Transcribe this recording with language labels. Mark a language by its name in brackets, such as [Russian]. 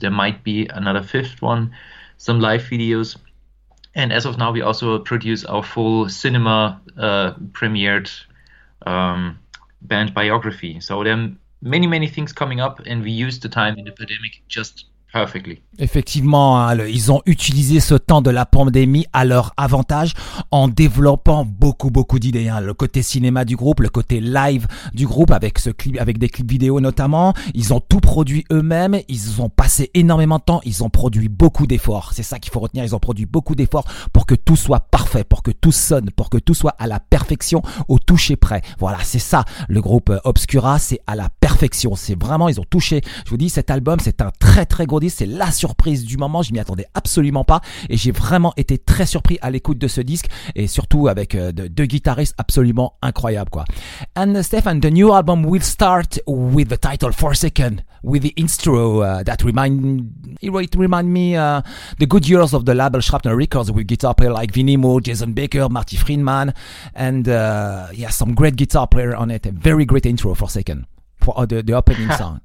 [English] There might be another 5th one, some live videos. And as of now, we also produce our full cinema premiered band biography. So there are many, many things coming up, and we use the time in the pandemic just perfectly. [French] Effectivement, ils ont utilisé ce temps de la pandémie à leur avantage en développant beaucoup, beaucoup d'idées. Hein. Le côté cinéma du groupe, le côté live du groupe avec ce clip, avec des clips vidéo notamment. Ils ont tout produit eux-mêmes. Ils ont passé énormément de temps. Ils ont produit beaucoup d'efforts. C'est ça qu'il faut retenir. Ils ont produit beaucoup d'efforts pour que tout soit parfait, pour que tout sonne, pour que tout soit à la perfection, au toucher près. Voilà, c'est ça le groupe Obscura. C'est à la perfection. C'est vraiment, ils ont touché. Je vous dis, cet album, c'est un très, très gros disque. C'est la surprise du moment, je m'y attendais absolument pas et j'ai vraiment été très surpris à l'écoute de ce disque et surtout avec deux guitaristes absolument incroyables quoi. [English] And Stefan, the new album will start with the title Forsaken, with the intro that remind me the good years of the label Shrapnel Records with guitar player like Vinnie Moore, Jason Baker, Marty Friedman and yeah, some great guitar player on it. A very great intro Forsaken for the opening song.